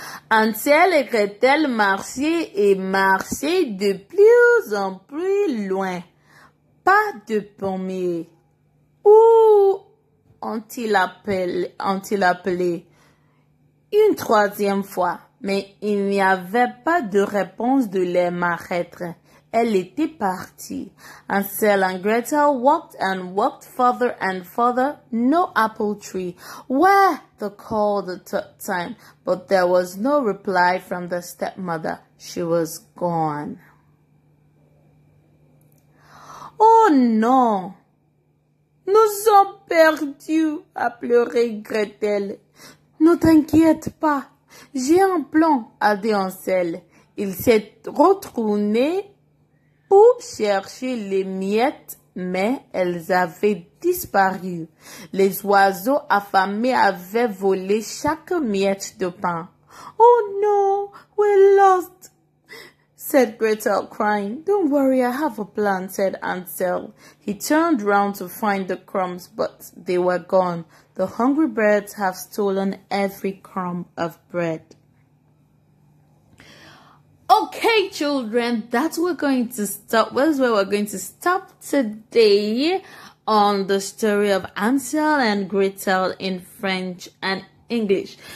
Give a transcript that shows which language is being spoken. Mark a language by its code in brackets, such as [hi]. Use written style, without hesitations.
[fr] Ansel et Gretel marchaient et marchaient de plus en plus loin. Pas de pommier. Où ont-ils appelé une troisième fois, mais il n'y avait pas de réponse de leur maître. Elle était partie. [en] Ansel and Gretel walked and walked further and further. No apple tree. Where? They called the third time, but there was no reply from the stepmother. She was gone. [fr] Oh non! Nous sommes perdus, a pleuré Gretel. Ne t'inquiète pas, j'ai un plan, a dit Ansel. Il s'est retourné pour chercher les miettes, mais elles avaient disparu. Les oiseaux affamés avaient volé chaque miette de pain. Oh non, [en] we're lost, said Gretel, crying. Don't worry, I have a plan, said Ansel. He turned round to find the crumbs, but they were gone. The hungry birds have stolen every crumb of bread. Okay, children, that's where we're going to stop. That's where we're going to stop today on the story of Ansel and Gretel in French and English.